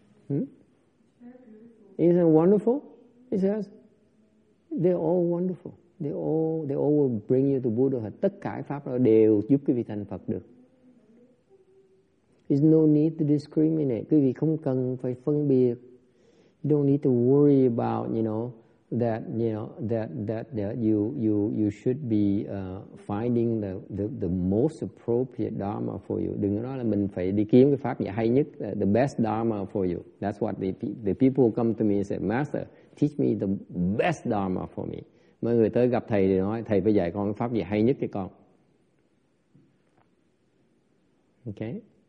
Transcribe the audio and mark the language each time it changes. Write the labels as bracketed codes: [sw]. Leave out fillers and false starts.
[en] Isn't wonderful? He says. They're all wonderful. They all will bring you to Buddhahood. [vi] Tất cả pháp đó đều giúp quý vị thành Phật được. [en] There's no need to discriminate. [vi] Quý vị không cần phải phân biệt. [en] You don't need to worry about, you should be finding the most appropriate dharma for you. [vi] Đừng nói là mình phải đi kiếm cái pháp gì hay nhất, [en] the best dharma for you. That's what the people come to me and say, Master, teach me the best dharma for me. [vi] Mọi người tới gặp thầy thì nói thầy phải dạy con cái pháp gì hay nhất cho con. [en] Okay.